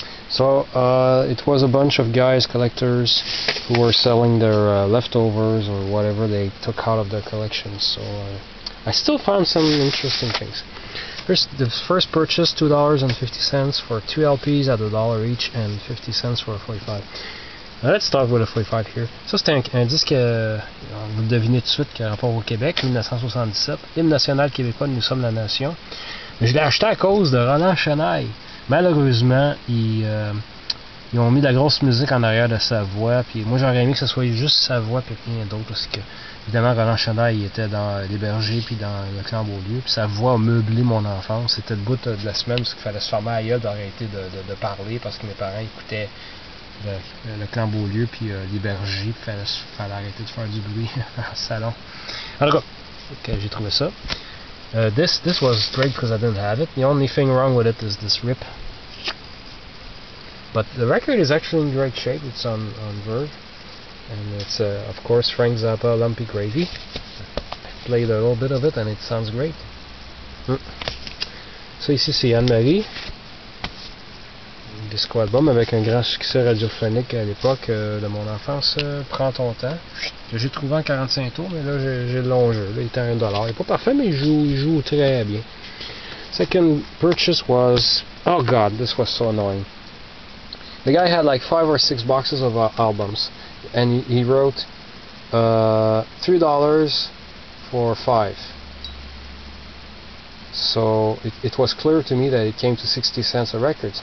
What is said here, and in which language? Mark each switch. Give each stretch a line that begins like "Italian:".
English: So it was a bunch of guys, collectors, who were selling their leftovers or whatever they took out of their collections. So I still found some interesting things. First, the first purchase, $2.50 for two LPs at $1 each, and 50 cents for a 45. Now let's start with a 45 here.
French: So c'est un disque, vous devinez tout de suite, qui a rapport au Québec, 1977, hymne national québécois, nous sommes la nation. Mais je l'ai acheté à cause de Roland Chennaille. Malheureusement, ils ont mis de la grosse musique en arrière de sa voix. Puis moi, j'aurais aimé que ce soit juste sa voix et rien d'autre. Parce que, évidemment, Roland Chennaille était dans Les Bergers puis dans Le Clan Beaulieu. Puis sa voix a meublé mon enfance. C'était le bout de la semaine parce qu'il fallait se former à gueule d'arrêter de parler parce que mes parents écoutaient Le Clan Beaulieu puis Les Bergers. Puis fallait arrêter de faire du bruit en salon. En tout cas, okay, j'ai trouvé ça.
English: This was great because I didn't have it. The only thing wrong with it is this rip. But the record is actually in great shape. It's on Verve. And it's, of course, Frank Zappa, Lumpy Gravy. I played a little bit of it and it sounds great.
French: So, ici, c'est Anne-Marie. Disco album avec un grand succès radiophonique à l'époque de mon enfance. Prends ton temps. J'ai trouvé en 45 tours, mais là j'ai le long jeu. Là, il est à 1$. Il n'est pas parfait, mais il joue très bien.
English: Second purchase was. Oh god, this was so annoying. The guy had like 5 or 6 boxes of albums. And he wrote $3 for 5. So it was clear to me that it came to 60 cents a record.